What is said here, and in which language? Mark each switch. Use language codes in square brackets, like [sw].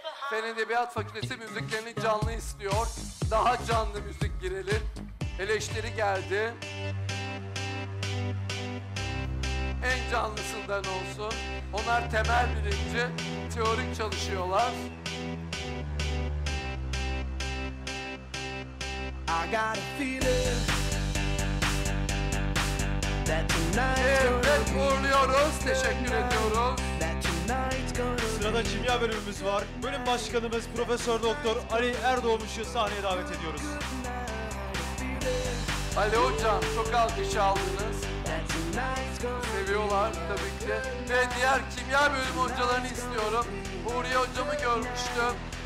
[tr] Fen Edebiyat Fakültesi müziklerini canlı istiyor. Daha canlı müzik girelim. Eleştiri geldi. En canlısından olsun. Onlar temel bilimci, teorik çalışıyorlar. [en] I got a feeling that tonight's gonna be good. [tr] Evet, uğurluyoruz. Teşekkür ediyoruz. Sırada kimya bölümümüz var. Bölüm başkanımız Profesör Doktor Ali Erdoğmuş'u sahneye davet ediyoruz. Ali hocam, çok alkış aldınız. Seviyorlar tabii ki. Ve diğer kimya bölümü hocalarını istiyorum. Huriye hocamı görmüştüm.